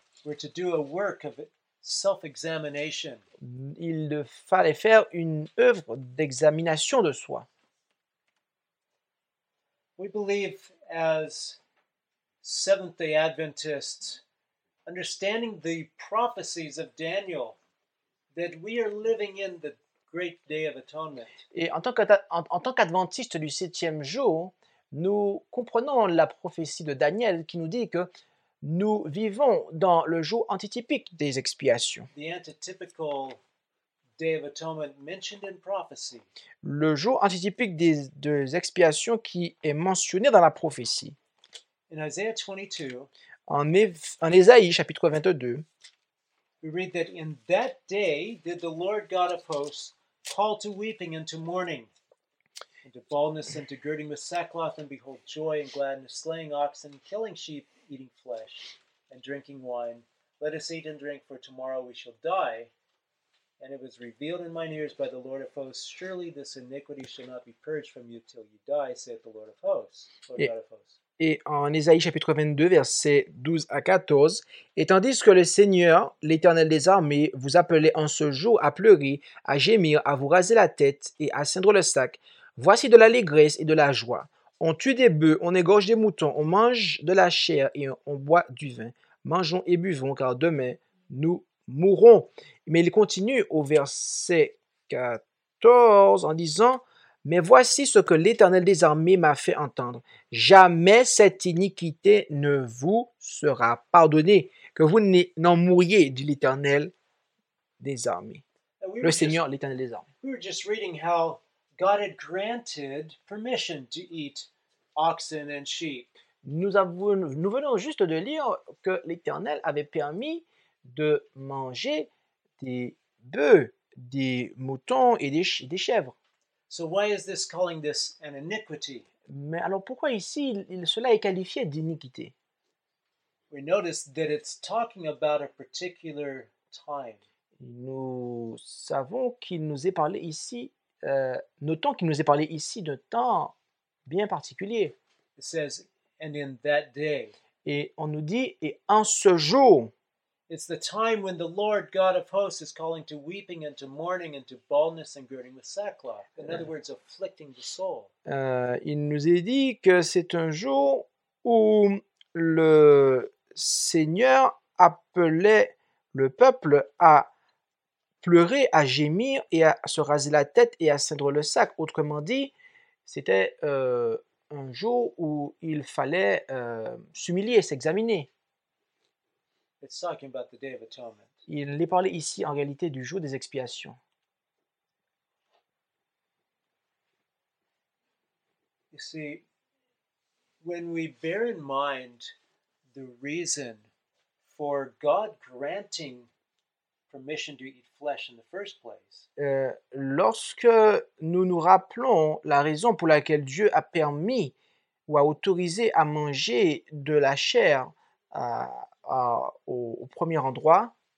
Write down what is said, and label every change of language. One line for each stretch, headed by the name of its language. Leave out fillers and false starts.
English: We're to do a work of self-examination.
French: Il fallait faire une œuvre d'examination de soi.
English: We believe as Seventh-day Adventists understanding the prophecies of Daniel that we are living in the great day of atonement.
French: Et en tant qu'adventiste du septième jour, nous comprenons la prophétie de Daniel qui nous dit que nous vivons dans le jour antitypique des expiations.
English: The antitypical day of atonement mentioned in prophecy.
French: Le jour antitypique des expiations qui est mentionné dans la prophétie.
English: In Isaiah 22,
French: en Ésaïe chapitre 22,
English: we read that in that day did the Lord God of hosts call to weeping and to mourning, and to baldness and to girding with sackcloth, and behold joy and gladness, slaying oxen, killing sheep, eating flesh, and drinking wine. Let us eat and drink, for tomorrow we shall die. And it was revealed in mine ears by the Lord of hosts, surely this iniquity shall not be purged from you till you die, saith the Lord of hosts.
French: Et en Ésaïe chapitre 22, versets 12 à 14, « Et tandis que le Seigneur, l'Éternel des armées, vous appelait en ce jour à pleurer, à gémir, à vous raser la tête et à ceindre le sac, voici de l'allégresse et de la joie. On tue des bœufs, on égorge des moutons, on mange de la chair et on boit du vin. Mangeons et buvons, car demain nous mourrons. » Mais il continue au verset 14 en disant, « Mais voici ce que l'Éternel des armées m'a fait entendre. Jamais cette iniquité ne vous sera pardonnée, que vous n'en mouriez, dit l'Éternel des armées. » Le Seigneur, l'Éternel des armées.
English: We were just reading how God had granted permission to eat oxen and sheep.
French: Nous venons juste de lire que l'Éternel avait permis de manger des bœufs, des moutons et des chèvres.
English: So why is this calling this an iniquity?
French: Mais alors pourquoi ici cela est qualifié d'iniquité?
English: We notice that it's talking about a particular time.
French: Nous savons qu'il nous est parlé ici, notons qu'il nous est parlé ici d'un temps bien particulier.
English: It says, and in that day.
French: Et on nous dit, et en ce jour.
English: It's the time when the Lord God of hosts is calling to weeping and to mourning and to baldness and girding with sackcloth. In other words, afflicting the soul.
French: Il nous est dit que c'est un jour où le Seigneur appelait le peuple à pleurer, à gémir et à se raser la tête et à ceindre le sac. Autrement dit, c'était un jour où il fallait s'humilier, s'examiner.
English: It's talking about the Day of Atonement.
French: Il est parlé ici en réalité du jour des expiations.
English: You see, when we bear in mind the reason for God granting permission to eat flesh in the first place.
French: Lorsque nous nous rappelons la raison pour laquelle Dieu a permis ou a autorisé à manger de la chair au premier endroit,